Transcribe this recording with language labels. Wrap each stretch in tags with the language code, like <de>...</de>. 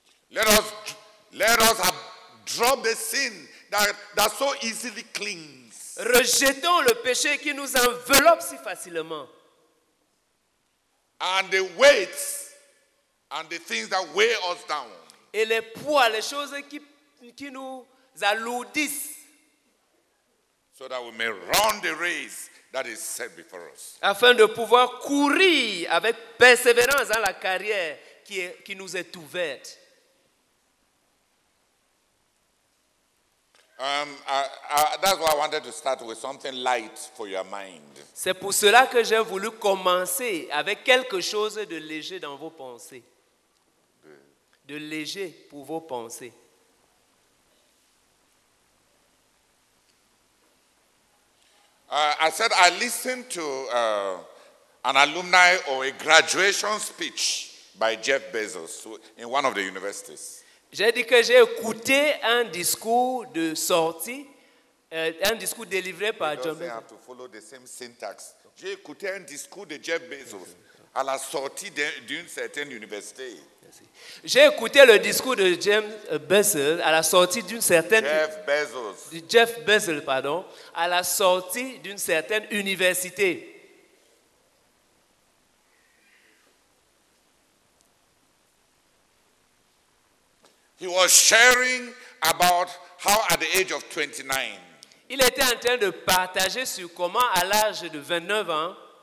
<en>Let us drop the sin that so easily clings.</en> <fr>Rejetons le péché qui nous enveloppe si facilement.</fr> <en>And the weights and the things that weigh us down.</en> <fr>Et les poids, les choses qui nous alourdissent.</fr> <en>So that we may run the race that is set before us.</en> <fr>Afin de pouvoir courir avec persévérance dans la carrière qui nous est ouverte.</fr> <en>That's why I wanted to start with something light for your mind.</en> <fr>C'est pour cela que j'ai voulu commencer avec quelque chose de léger dans vos pensées. De léger pour vos pensées.</fr> <en>I said I listened to an alumni or a graduation speech by Jeff Bezos in one of the universities.</en> <fr>J'ai dit que j'ai écouté un discours de sortie, un discours délivré par Jeff Bezos.</fr> <en>He doesn't have to follow the same syntax.</en> <fr>J'ai écouté un discours de Jeff Bezos à la sortie d'une certaine université. J'ai écouté le discours de Jeff Bezos à la sortie d'une certaine. Jeff Bezos. Jeff Bezos, pardon, à la sortie d'une certaine université.</fr> <en>He was sharing about how at the age of 29.</en> <fr>Il était en train de partager sur comment à l'âge de 29 ans,</fr>